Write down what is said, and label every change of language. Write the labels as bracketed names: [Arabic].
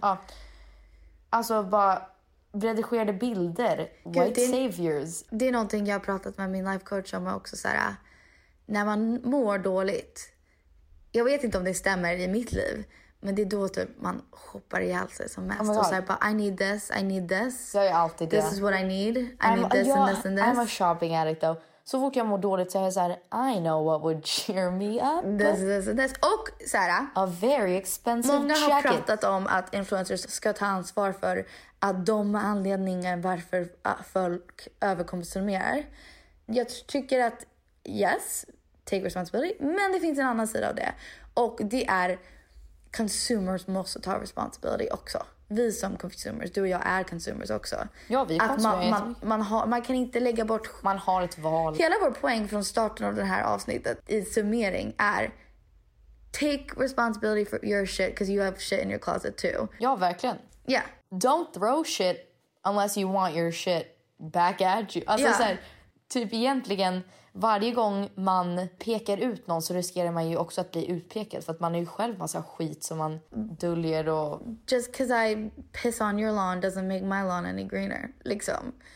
[Swedish] Ja. Alltså, bara redigerade bilder. [English] God, white saviors. [Swedish] Det är någonting jag har pratat med min life coach om också. Så här, när man mår dåligt, jag vet inte om det stämmer i mitt liv, men det är då typ man shoppar ihjäl sig som mest. Oh, och så här, bara, [English] I need this. [Swedish] Jag är alltid [English] this is what I need. I need this and this and this. I'm a shopping addict though. [Swedish] Så fort jag mår dåligt så är jag så här, [English] I know what would cheer me up. This. [Swedish] Och [English] Sarah, a very expensive [Swedish] många [English] jacket. [Swedish] Har pratat om att influencers ska ta ansvar för att de anledningar varför folk överkonsumerar. Jag tycker att yes, [English] take responsibility, [Swedish] men det finns en annan sida av det. Och det är consumers måste ta responsibility också. Vi som consumers, du och jag är consumers också. Ja, vi är att man kan inte lägga bort... Man har ett val. Hela vår poäng från starten av det här avsnittet i summering är [English] take responsibility for your shit because you have shit in your closet too. [Swedish] Ja, verkligen. [English] Yeah. Don't throw shit unless you want your shit back at you. [Swedish] Alltså, yeah. Så här, typ egentligen varje gång man pekar ut någon så riskerar man ju också att bli utpekad för att man är ju själv massa skit som man döljer och... [English] Just because I piss on your lawn doesn't make my lawn any greener, liksom.